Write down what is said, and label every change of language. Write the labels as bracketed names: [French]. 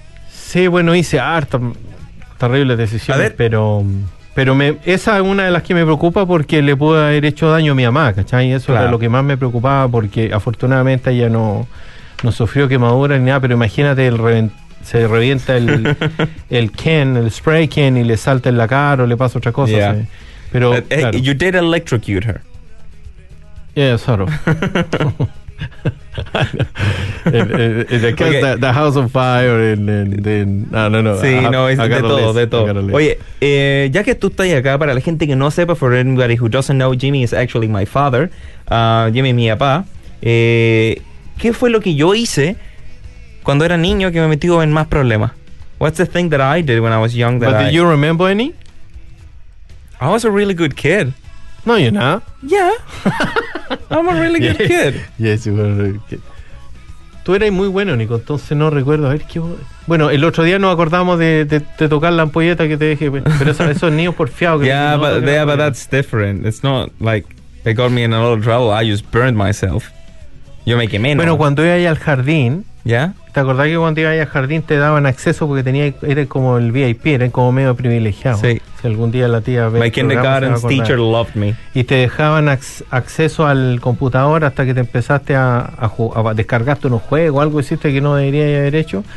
[Spanish] Sí, bueno, hice harta terrible decisión, pero esa es una de las que me preocupa, porque le pudo haber hecho daño a mi mamá, ¿cachai? Eso claro. Era lo que más me preocupaba, porque afortunadamente ella no sufrió quemadura ni nada, pero imagínate, se revienta el can, el spray can, y le salta en la cara o le pasa otra cosa. Yeah. Pero [English] claro. You did electrocute her. Yeah, sorry. the house on fire and then, I don't know. [Spanish] Oye, ya que tú estás acá, para la gente que no sepa, [English] for anybody who doesn't know, [Spanish] Jimmy is actually my father. Jimmy es mi papá. ¿Qué fue lo que yo hice cuando era niño que me metí en más problemas? [English] What's the thing that I did when I was young that But did I, you remember any? I was a really good kid. No, you're not. Yeah. I'm a really good kid. Yes, you were a really good kid. [Spanish] Tú eres muy bueno, Nico, entonces no recuerdo. A ver qué. Bueno, el otro día nos acordamos de tocar la ampolleta que te dejé. Pero esos niños porfiados. [English] But that's different. It's not like they got me in a lot of trouble. I just burned myself. [Spanish] Yo me quemé, ¿no? Bueno, cuando iba ahí al jardín. ¿Ya? ¿Te acordás que cuando iba ahí al jardín te daban acceso porque tenía. Eres como el VIP, eres como medio privilegiado. Sí. Si algún día la tía. [English] My kindergarten teacher loved me. [Spanish] Y te dejaban acceso al computador hasta que te empezaste a descargarte unos juegos, algo hiciste que no deberías haber hecho.